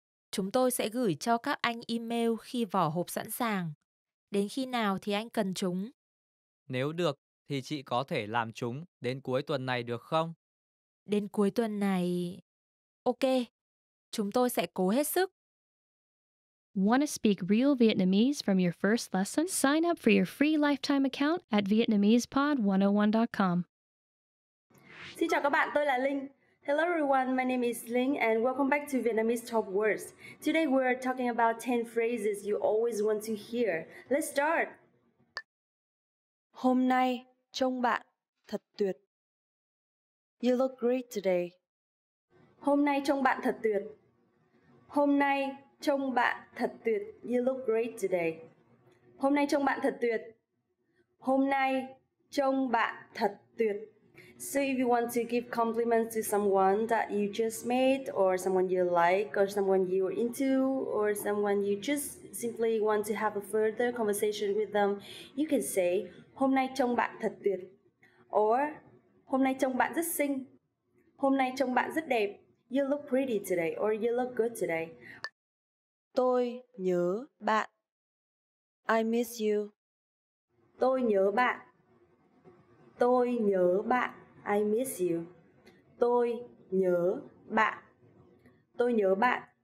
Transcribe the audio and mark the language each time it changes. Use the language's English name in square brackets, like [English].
[Vietnamese] Chúng tôi sẽ gửi cho các anh email khi vỏ hộp sẵn sàng. Đến khi nào thì anh cần chúng? Nếu được, thì chị có thể làm chúng đến cuối tuần này được không? Đến cuối tuần này... Ok, chúng tôi sẽ cố hết sức. [English] Want to speak real Vietnamese from your first lesson? Sign up for your free lifetime account at VietnamesePod101.com. [Vietnamese] Xin chào các bạn, tôi là Linh. [English] Hello everyone, my name is Linh and welcome back to Vietnamese Top Words. Today we're talking about 10 phrases you always want to hear. Let's start! [Vietnamese] Hôm nay, trông bạn thật tuyệt. [English] You look great today. [Vietnamese] Hôm nay trông bạn thật tuyệt. Hôm nay trông bạn thật tuyệt. [English] You look great today. [Vietnamese] Hôm nay trông bạn thật tuyệt. Hôm nay trông bạn thật tuyệt. [English] So if you want to give compliments to someone that you just met, or someone you like, or someone you're into, or someone you just simply want to have a further conversation with them, you can say, [Vietnamese] Hôm nay trông bạn thật tuyệt. Or, Hôm nay trông bạn rất xinh. Hôm nay trông bạn rất đẹp. [English] You look pretty today or you look good today. [Vietnamese] Tôi nhớ bạn. [English] I miss you. [Vietnamese] Tôi nhớ bạn. Tôi nhớ bạn. [English] I miss you. [Vietnamese] Tôi nhớ bạn. Tôi nhớ bạn.